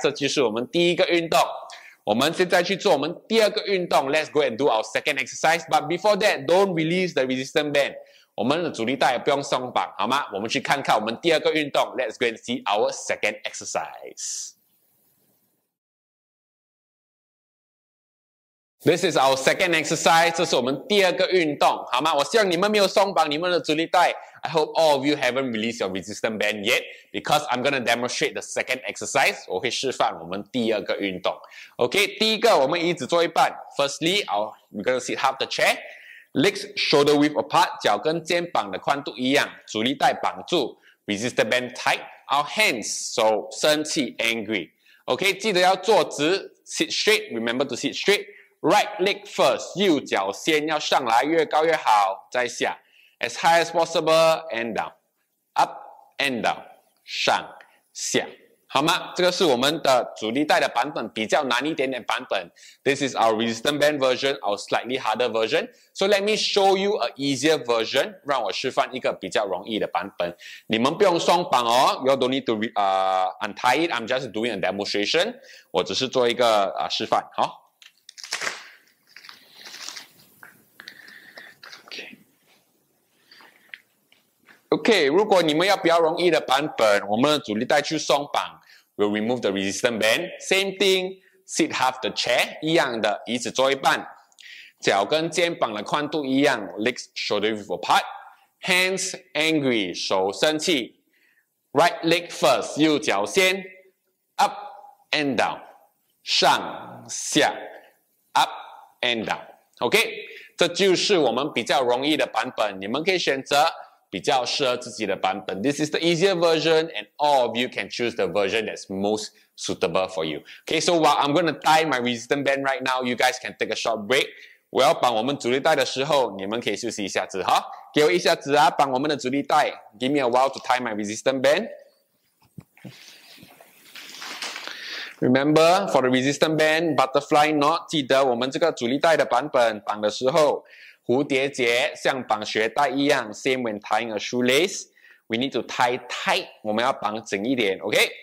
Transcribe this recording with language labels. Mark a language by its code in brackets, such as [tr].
[zh] 这就是我们第一个运动。我们现在去做我们第二个运动。 [en] Let's go and do our second exercise. But before that, don't release the resistance band. [zh] 我们的阻力带也不用松绑，好吗？我们去看看我们第二个运动。 [en] Let's go and see our second exercise. This is our second exercise. [zh] 这是我们第二个运动，好吗？我希望你们没有松绑你们的阻力带。 [en] I hope all of you haven't released your resistance band yet, because I'm gonna demonstrate the second exercise. [zh] 我会示范我们第二个运动。 [en] Okay, [zh] 第一个我们椅子坐一半。 [en] Firstly, we're gonna sit half the chair. Legs shoulder width apart. [zh] 脚跟肩膀的宽度一样。阻力带绑住。 [en] Resistance band tight. Our hands, so [zh] 生气 [en] angry. Okay, [zh] 记得要坐直。 [en] Sit straight. Remember to sit straight. Right leg first, [zh] 右脚先要上来，越高越好，再下， [en] as high as possible, and down, up and down, [zh] 上下，好吗？这个是我们的阻力带的版本，比较难一点点版本。 [en] This is our resistance band version, our slightly harder version. So let me show you an easier version, [zh] 让我示范一个比较容易的版本。你们不用双绑哦， [en] you don't need to untie it, I'm just doing a demonstration. [zh] 我只是做一个示范，好。 OK, 如果你们要比较容易的版本，我们的阻力带去松绑， [en] we'll remove the resistance band. Same thing, sit half the chair, [zh] 一样的，椅子坐一半，脚跟肩膀的宽度一样， [en] legs shoulder width apart, hands angry, [zh] 手生气， [en] right leg first, [zh] 右脚先， [en] up and down, [zh] 上下， [en] and down. [zh] OK， 这就是我们比较容易的版本，你们可以选择比较适合自己的版本。 [en] This is the easier version and all of you can choose the version that's most suitable for you. OK, so while I'm going to tie my resistance band right now, you guys can take a short break. [zh] 我要绑我们阻力带的时候，你们可以休息一下子哈，给我一下子啊，绑我们的阻力带。 [en] Give me a while to tie my resistance band. Remember, for the resistance band, butterfly knot, [zh] 记得我们这个阻力带的版本绑的时候，蝴蝶结像绑鞋带一样， [en] same when tying a shoelace, we need to tie tight, [zh] 我们要绑紧一点， [en] OK?